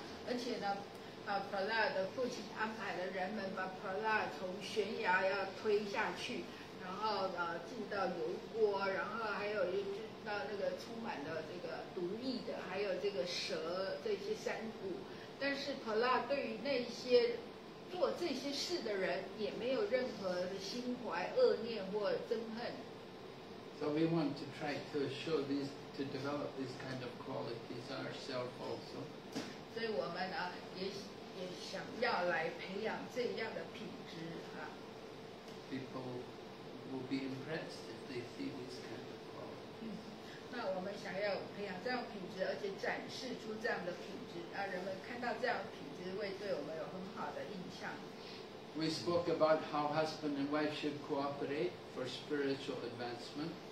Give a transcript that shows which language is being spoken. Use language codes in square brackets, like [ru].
[zh] 而且呢，Prahlad 的父亲安排了人们把 Prahlad 从悬崖要推下去，然后进到油锅，然后还有又进到那个充满了这个毒液的，还有这个蛇这些山谷。但是 Prahlad 对于那些做这些事的人也没有任何的心怀恶念或憎恨。 [en] So we want to try to show these, to develop these kind of qualities ourselves also. [zh] 所以我们呢，也想要来培养这样的品质啊。 [en] People will be impressed if they see this kind of quality. [zh] 那我们想要培养这样品质，而且展示出这样的品质，让人们看到这样的品质。 [en] We spoke about how husband and wife should cooperate for spiritual advancement.